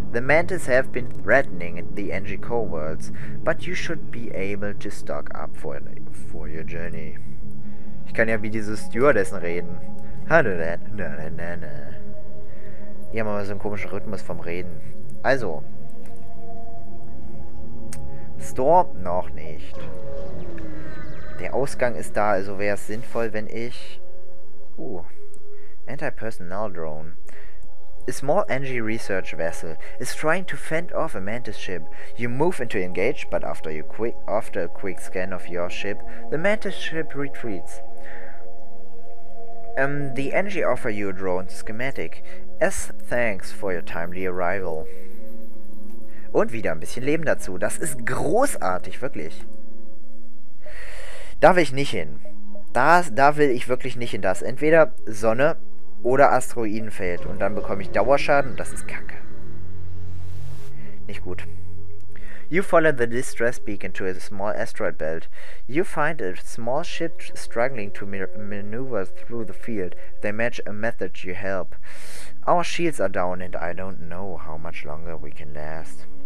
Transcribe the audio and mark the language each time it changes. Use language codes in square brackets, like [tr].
[en] The Mantis have been threatening the NG Coworlds, but you should be able to stock up for your journey. [de] Ich kann ja wie diese Stewardessen reden. Die haben aber so einen komischen Rhythmus vom Reden. Also. Store noch nicht. Der Ausgang ist da, also wäre es sinnvoll, wenn ich... [en] Anti-Personnel Drone. A small NG research vessel is trying to fend off a Mantis ship. You move into engage, but after a quick scan of your ship, the Mantis ship retreats. The NG offer you a drone schematic as thanks for your timely arrival. [de] Und wieder ein bisschen Leben dazu. Das ist großartig, wirklich. Da will ich nicht hin. Da will ich wirklich nicht hin. Das entweder Sonne oder Asteroidenfeld. Und dann bekomme ich Dauerschaden. Das ist kacke. Nicht gut. [en] You follow the distress beacon to a small asteroid belt. You find a small ship struggling to maneuver through the field. They match a method you help. Our shields are down and I don't know how much longer we can last.